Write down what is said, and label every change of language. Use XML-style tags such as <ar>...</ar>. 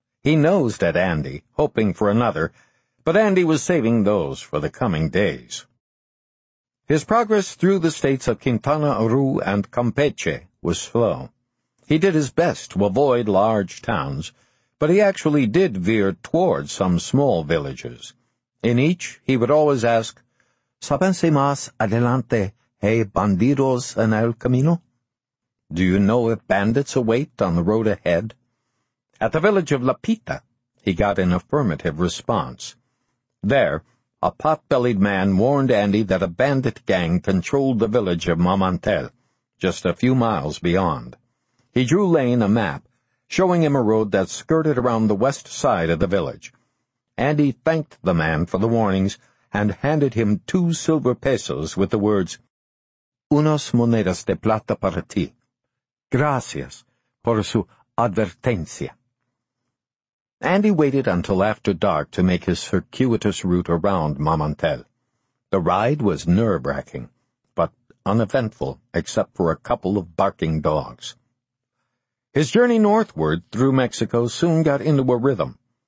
<en>He nosed at Andy, hoping for another, but Andy was saving those for the coming days. His progress through the states of Quintana Roo and Campeche was slow. He did his best to avoid large towns, but he actually did veer towards some small villages. In each, he would always ask,</en> <es>¿Sabense más adelante, hay bandidos en el camino?</es> <en>Do you know if bandits await on the road ahead? At the village of La Pita, he got an affirmative response. There, a pot-bellied man warned Andy that a bandit gang controlled the village of Mamantel, just a few miles beyond. He drew Lane a map, showing him a road that skirted around the west side of the village. Andy thanked the man for the warnings and handed him 2 silver pesos with the words,</en> <es>Unas monedas de plata para ti. Gracias por su advertencia.</es> <en>Andy waited until after dark to make his circuitous route around Mamantel. The ride was nerve-wracking, but uneventful except for a couple of barking dogs. His journey northward through Mexico soon got into a rhythm.</en>